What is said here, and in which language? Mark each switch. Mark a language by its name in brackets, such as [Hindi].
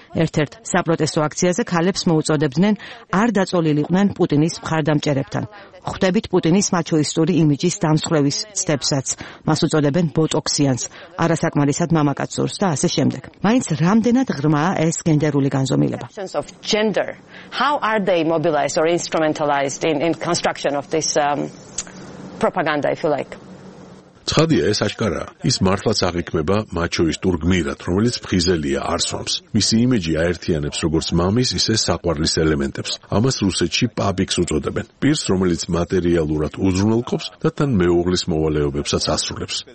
[Georgian] ერთ-ერთ საპროტესტო აქციაზე ქალებს მოუწოდებდნენ არ დაწოლილიყვნენ პუტინის მხარდამჭერებთან. ხვდებით პუტინის მაჩოისტური იმიჯის დამსხვრევის ცდებსაც. მას უწოდებენ ბოტოქსიანს, არასაკმარისად მამაკაცურს და ასე შემდეგ. მაინც რამდენად ღრმაა ეს გენდერული განზომილება? [English] How are they mobilized or instrumentalized in construction of this propaganda, if you like? [Georgian] ცხადია, ეს აშკარაა. ის მართლაც აღიქმება მაჩოისტურ გმირად, რომელიც ფხიზელია, არსვამს. მისი იმიჯი აერთიანებს როგორც მამის, ისე საყვარლის ელემენტებს. ამას რუსეთში პაბიქს უწოდებენ. პირს, რომელიც მატერიალურად უზრუნველყოფს და თან მეუღლის მოვალეობებსაც ასრულებს.